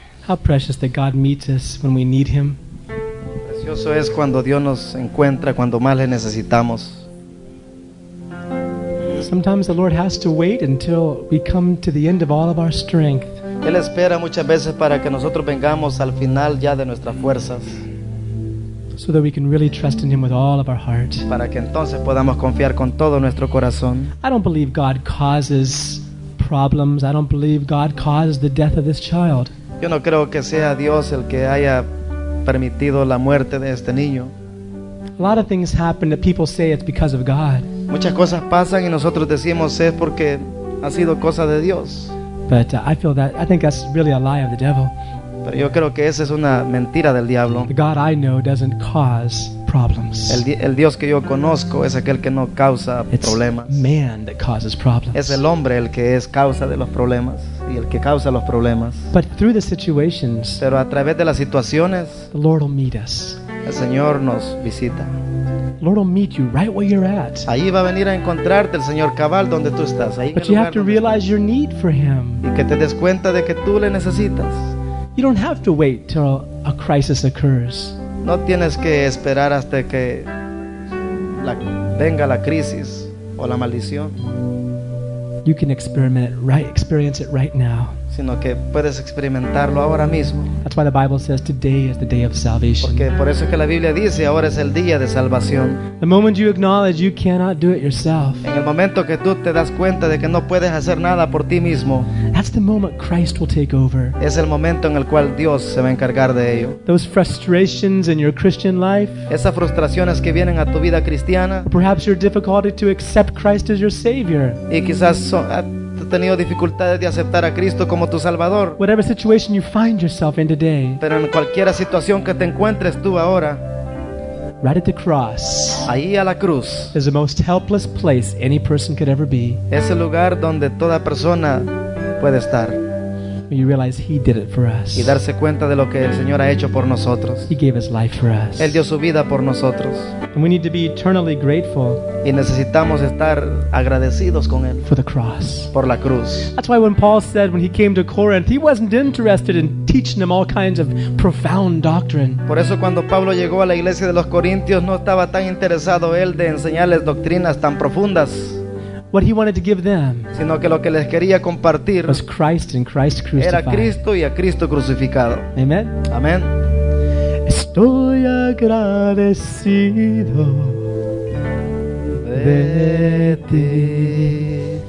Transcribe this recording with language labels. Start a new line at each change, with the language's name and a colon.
English: How precious that God meets us when we need Him.
Spanish: Precioso es cuando Dios nos encuentra cuando más le necesitamos. Es
English: sometimes the Lord has to wait until we come to the end of all of our strength.
Spanish: Él espera muchas veces para que nosotros vengamos al final ya de nuestras fuerzas.
English: So that we can really trust in Him with all of our heart.
Spanish: Para que entonces podamos confiar con todo nuestro corazón.
English: I don't believe God causes problems. I don't believe God caused the death of this child.
Spanish: Yo no creo que sea Dios el que haya permitido la muerte de este niño.
English: A lot of things happen that people say it's because of God.
Spanish: Muchas cosas pasan y nosotros decimos es porque ha sido cosa de Dios.
English: But I feel that I think that's really a lie of the devil.
Spanish: Pero yo creo que esa es una mentira del diablo.
English: The God I know doesn't cause problems.
Spanish: El Dios que yo conozco es aquel que no causa problemas.
English: It's man that causes problems.
Spanish: Es el hombre el que es causa de los problemas y el que causa los problemas.
English: But through the situations,
Spanish: pero a través de las situaciones,
English: the Lord will meet us.
Spanish: El Señor nos visita.
English: Lord will meet you right where you're at.
Spanish: Ahí va a venir a encontrarte el Señor cabal donde tú estás. Ahí.
English: But you have to realize your need for Him.
Spanish: Y que te des cuenta de que tú le necesitas.
English: You don't have to wait till a crisis occurs.
Spanish: No tienes que esperar hasta que venga la crisis o la maldición.
English: You can experience it right now.
Spanish: Sino que puedes experimentarlo ahora mismo.
English: That's why the Bible says today is the day of salvation.
Spanish: Porque por eso es que la Biblia dice ahora es el día de salvación.
English: The moment you acknowledge you cannot do it yourself.
Spanish: En el momento que tú te das cuenta de que no puedes hacer nada por ti mismo.
English: That's the moment Christ will take over.
Spanish: Es el momento en el cual Dios se va a encargar de ello.
English: Those frustrations in your Christian life.
Spanish: Esas frustraciones que vienen a tu vida cristiana.
English: Perhaps your difficulty to accept Christ as your Savior.
Spanish: Y quizás tenido dificultades de aceptar a Cristo como tu Salvador.
English: Whatever situation you find yourself in today,
Spanish: pero en cualquiera situación que te encuentres tú ahora,
English: right at the cross,
Spanish: ahí a la cruz,
English: is the most helpless place any person could ever be.
Spanish: Es el lugar donde toda persona puede estar.
English: When you realize He did it for us.
Spanish: Y darse cuenta de lo que el Señor ha hecho por nosotros.
English: He gave His life for us.
Spanish: Él dio su vida por nosotros.
English: And we need to be eternally grateful.
Spanish: Y necesitamos estar agradecidos con Él.
English: For the cross.
Spanish: Por la cruz.
English: That's why when Paul said when he came to Corinth, he wasn't interested in teaching them all kinds of profound doctrine.
Spanish: Por eso cuando Pablo llegó a la iglesia de los Corintios, no estaba tan interesado él de enseñarles doctrinas tan profundas.
English: What he wanted to give them,
Spanish: sino que lo que les quería compartir,
English: was Christ and Christ crucified.
Spanish: Era Cristo y a Cristo crucificado.
English: Amen.
Spanish: Amen. Estoy agradecido de ti.